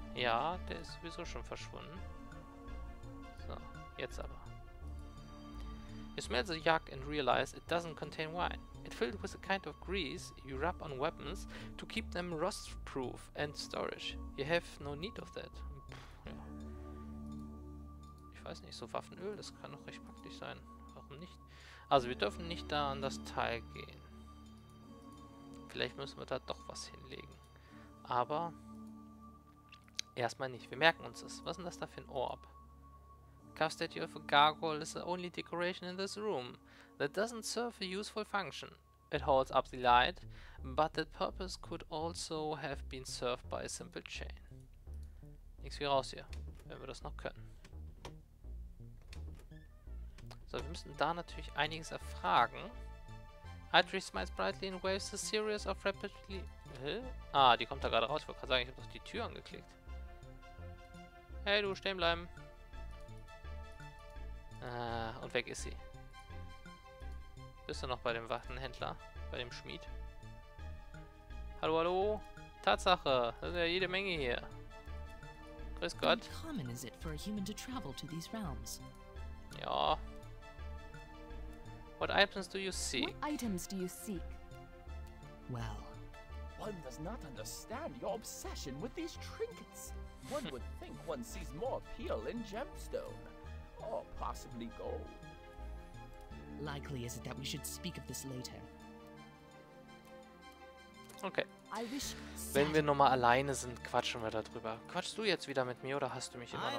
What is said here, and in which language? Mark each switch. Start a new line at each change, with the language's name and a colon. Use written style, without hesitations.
German: Ja, der ist sowieso schon verschwunden. So, jetzt aber.
English: You smell the yak and realize it doesn't contain wine. It filled with a kind of grease you rub on weapons to keep them rust-proof and storage. You have no need of that. Pff, ja.
German: Ich weiß nicht, so Waffenöl, das kann doch recht praktisch sein. Warum nicht? Also, wir dürfen nicht da an das Teil gehen. Vielleicht müssen wir da doch was hinlegen. Aber... erstmal nicht. Wir merken uns das. Was ist denn das da für ein Orb?
English: Cuff Statue of a Gargoyle is the only decoration in this room. That doesn't serve a useful function. It holds up the light, but that purpose could also have been served by a simple chain.
German: Nichts wie raus hier, wenn wir das noch können. So, wir müssen da natürlich einiges erfragen.
English: Atri smiles brightly and waves a series of rapidly... Hä?
German: Ah, die kommt da gerade raus. Ich wollte gerade sagen, ich habe doch die Tür angeklickt. Hey, du, stehen bleiben. Und weg ist sie. Bist du noch bei dem Waffenhändler? Bei dem Schmied? Hallo, hallo? Tatsache, das ist ja jede Menge hier. Grüß Gott.
English: Wie common is it for a human to travel to these realms? Ja. What items do you seek? What items do you seek? Well, one does not understand your obsession with these trinkets. One would think one sees more appeal in gemstone, or possibly gold. Likely is it that we should speak of this later. Okay.
German: Wenn wir nochmal alleine sind, quatschen wir darüber. Quatschst du jetzt wieder mit mir oder hast du mich immer noch?